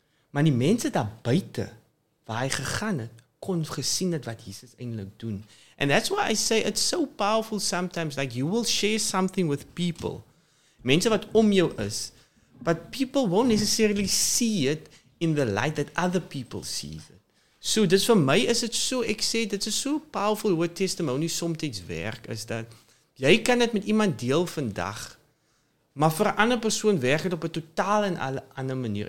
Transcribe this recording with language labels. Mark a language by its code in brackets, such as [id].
[af] Maar die mense daar buite, waar hy gegaan het, kon gesien het wat Jesus eintlik doen. [en] And that's why I say it's so powerful sometimes, like you will share something with people, [af] mense wat om jou is, [en] but people won't necessarily see it in the light that other people see it. [af] So dis vir my is it so, ek sê, dit is so powerful hoe testimony soms werk, is dat jy kan dit met iemand deel vandag, maar vir 'n ander persoon werk het op 'n totaal en ander manier.